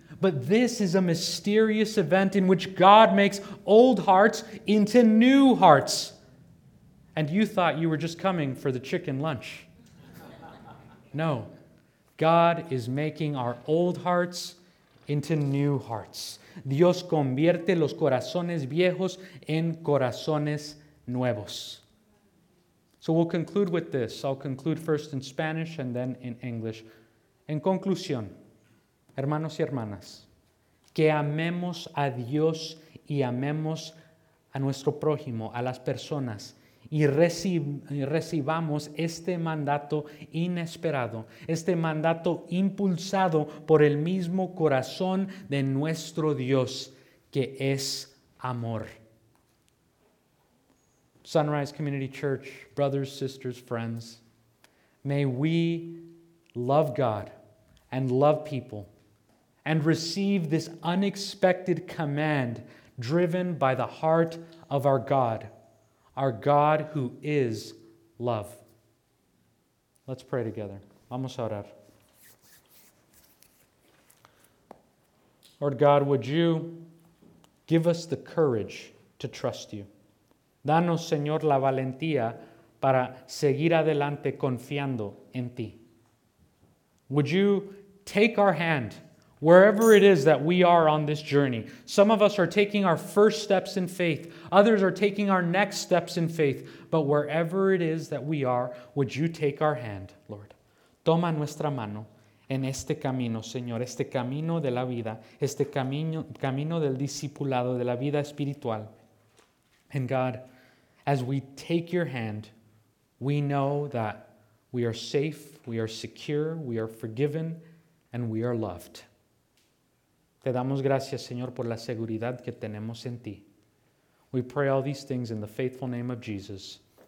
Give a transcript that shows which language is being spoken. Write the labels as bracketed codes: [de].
[en] But this is a mysterious event in which God makes old hearts into new hearts. And you thought you were just coming for the chicken lunch. No, God is making our old hearts into new hearts. [es] Dios convierte los corazones viejos en corazones nuevos. [en] So we'll conclude with this. I'll conclude first in Spanish and then in English. [es] En conclusión, hermanos y hermanas, que amemos a Dios y amemos a nuestro prójimo, a las personas, y recibamos este mandato inesperado, este mandato impulsado por el mismo corazón de nuestro Dios, que es amor. [en] Sunrise Community Church, brothers, sisters, friends, may we love God and love people and receive this unexpected command driven by the heart of our God who is love. Let's pray together. [es] Vamos a orar. [en] Lord God, would you give us the courage to trust you? [es] Danos, Señor, la valentía para seguir adelante confiando en ti. [en] Would you take our hand wherever it is that we are on this journey? Some of us are taking our first steps in faith. Others are taking our next steps in faith. But wherever it is that we are, would you take our hand, Lord? [es] Toma nuestra mano en este camino, Señor, este camino de la vida, este camino del discipulado, de la vida espiritual. [en] And God, as we take your hand, we know that we are safe, we are secure, we are forgiven, and we are loved. [es] Te damos gracias, Señor, por la seguridad que tenemos en ti. [en] We pray all these things in the faithful name of Jesus.